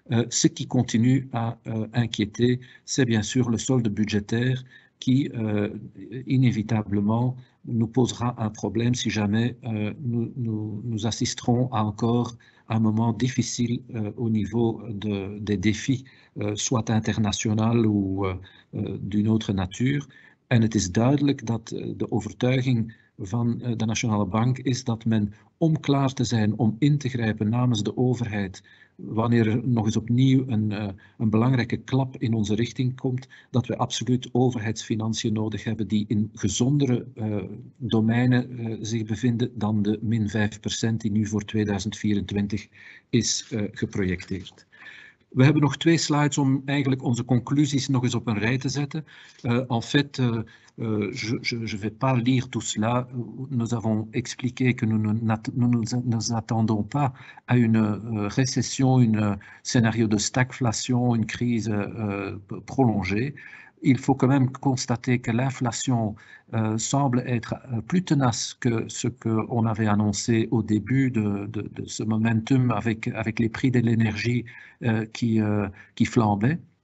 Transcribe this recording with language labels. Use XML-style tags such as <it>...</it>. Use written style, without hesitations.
<fr>Ce qui continue à inquiéter, c'est bien sûr le solde budgétaire qui inévitablement nous posera un problème si jamais nous assisterons à encore un moment difficile au niveau des défis, soit international ou d'une autre nature.</fr> <nl>En het is duidelijk dat de overtuiging van de Nationale Bank is dat men om klaar te zijn om in te grijpen namens de overheid wanneer er nog eens opnieuw een belangrijke klap in onze richting komt, dat we absoluut overheidsfinanciën nodig hebben die in gezondere domeinen zich bevinden dan de min 5% die nu voor 2024 is geprojecteerd. We hebben nog twee slides om eigenlijk onze conclusies nog eens op een rij te zetten.</nl> <fr>En fait, je ne vais pas lire tout cela. Nous avons expliqué que nous n'attendons pas à une récession, un scénario de stagflation, une crise prolongée. Il faut quand même constater que l'inflation semble être plus tenace que ce qu'on avait annoncé au début de ce momentum avec les prix de l'énergie qui flambaient.</fr>